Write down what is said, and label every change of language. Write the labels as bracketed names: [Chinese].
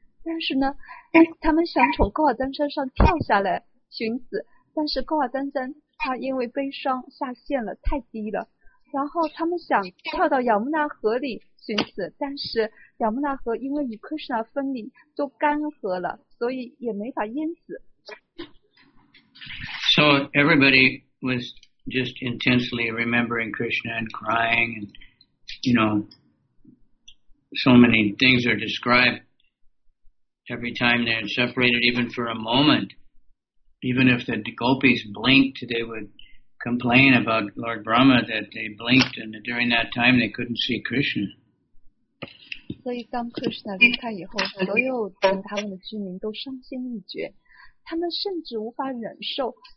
[Chinese] 但是呢他们想从高瓦丹山上跳下来寻死，但是高瓦丹山他因为悲伤下陷了太低了，然后他们想跳到亚穆纳河里寻死，但是亚穆纳河因为与 Krishna 分离都干涸了，所以也没法淹死。 [English] So everybody was just intensely remembering Krishna and crying, and you know, so many things are described every time they had separated, even for a moment. Even if the gopis blinked, they would complain about Lord Brahma that they blinked, and during that time they couldn't see Krishna. [Chinese] 所以当 Krishna 离开以后，所有等他们的居民都伤心欲绝，他们甚至无法忍受